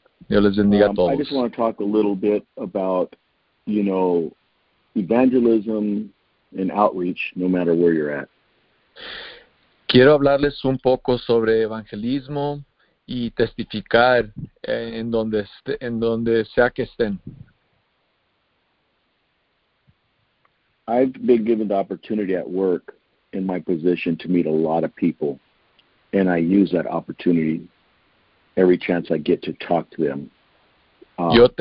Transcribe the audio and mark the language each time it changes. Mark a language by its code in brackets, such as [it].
[en] I just want to talk a little bit about, you know, evangelism and outreach, no matter where you're at. [es] Quiero hablarles un poco sobre evangelismo y testificar en donde sea que estén. [en] I've been given the opportunity at work in my position to meet a lot of people, and I use that opportunity every chance I get to talk to them God.